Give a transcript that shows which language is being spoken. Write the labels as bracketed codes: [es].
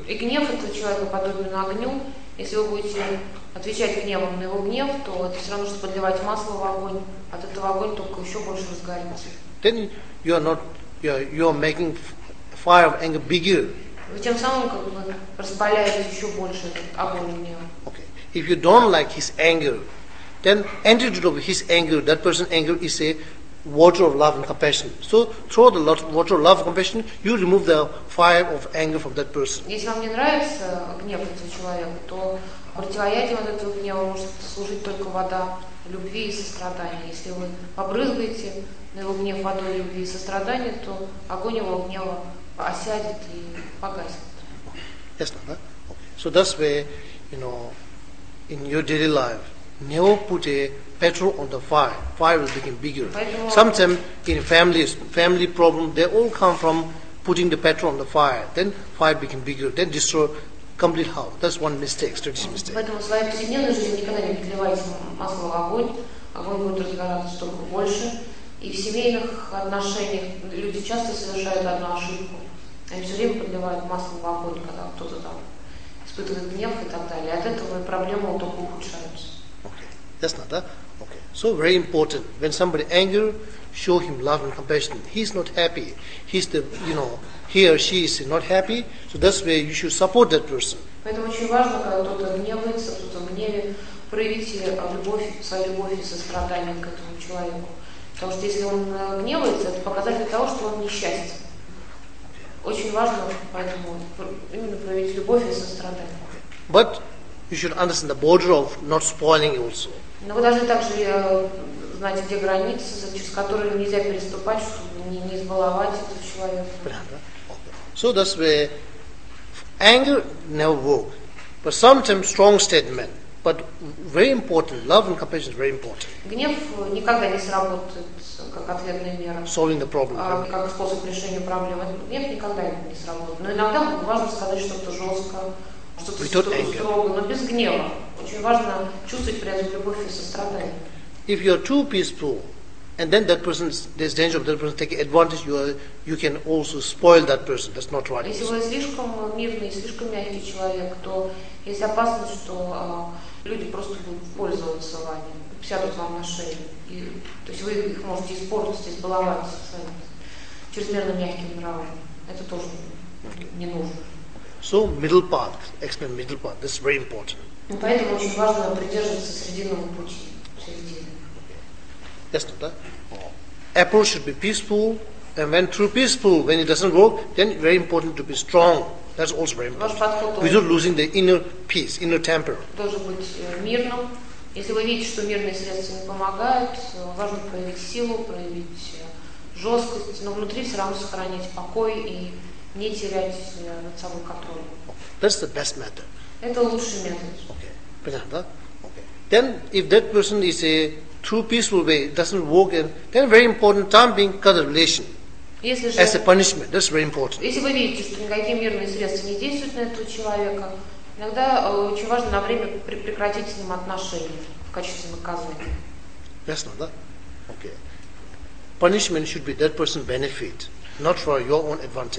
[ru] И гнев этого человека подобен на огню. Если вы будете отвечать гневом на его гнев, то это все равно, что подливать масло в огонь. От этого огонь только еще больше разгорится. [en] Then you are not, you are making fire of anger bigger. [ru] Вы тем самым как бы распаляете еще больше этот огонь гнева. [en] Okay. If you don't like his anger, then antidote of his anger, that person's anger is a water of love and compassion. So throw the water of love and compassion, you remove the fire of anger from that person. [ru] Если вам не нравится гнев этого человека, то противоядием от этого гнева может служить только вода любви и сострадания. Если вы побрызгаете на его гнев водой любви и сострадания, то огонь его гнева осядет и погаснет. [en] Yes, no, no? Okay. So that's where, you know, in your daily life, never put a petrol on the fire. Fire will become bigger. Sometimes in families, family problems, they all come from putting the petrol on the fire. Then fire become bigger. Then destroy complete house. That's one mistake, strategic mistake. [ru] Поэтому в своей повседневной жизни никогда не подливайте масло в огонь. Огонь будет разгораться только больше. И в семейных отношениях люди часто совершают одну ошибку. Они все время подливают масло в огонь, когда кто-то там испытывает гнев и так далее. От этого проблемы только ухудшаются. [en] That's not that. Okay. So very important. When somebody anger, show him love and compassion. He's not happy. He's the, you know, he or she is not happy. So that's where you should support that person. [ru] Поэтому очень важно, когда кто-то гневается, кто-то в гневе, проявите любовь, свою любовь и сострадание к этому человеку. Потому что если он гневается, это показатель того, что он несчастен. Очень важно поэтому именно проявить любовь и сострадание. [en] But you should understand the border of not spoiling also. [ru] Но вы должны также знать, где границы, через которые нельзя переступать, чтобы не избаловать этого человека. [en] So that's where anger never works. But sometimes strong statement. But very important. Love and compassion is very important. [ru] Гнев никогда не сработает как ответная мера. [en] Solving the problem. [ru] Как способ решения проблем. Гнев никогда не сработает. Но иногда важно сказать что-то жестко, что-то строго, но без гнева. Очень важно чувствовать при этом любовь и сострадание. [en] If you are too peaceful, and then that person, there's danger of that person taking advantage, you can also spoil that person. That's not right. [ru] Если вы слишком мирный, слишком мягкий человек, то есть опасность, что люди просто будут пользоваться вами, сядут вам на шею. И, то есть вы их можете испортить, избаловать своим чрезмерно мягким нравом. Это тоже не нужно. [en] So middle path, explain middle path. This is very important. [ru] Поэтому очень важно придерживаться срединного пути, середины. [en] Yes, doctor. Approach should be peaceful, and when through peaceful, when it doesn't work, then very important to be strong. That's also very important. Without losing the inner peace, inner temper. [ru] Должен быть мирным. Если вы видите, что мирные средства не помогают, важно проявить силу, проявить жесткость, но внутри все равно сохранить покой и не терять над собой контроль. [en] That's the best method. [ru] Это лучший метод. Okay. Понятно, да? Okay. [en] Then, if that person is a true peaceful way, doesn't work, then very important time being cut the relation. [ru] Если же, [en] as a punishment, that's very important. [ru] Если вы видите, что никакие мирные средства не действуют на этого человека, иногда очень важно на время прекратить с ним отношения в качестве наказания. Ясно, да? [en] Okay. Punishment should be that person's benefit. Not for your own advantage.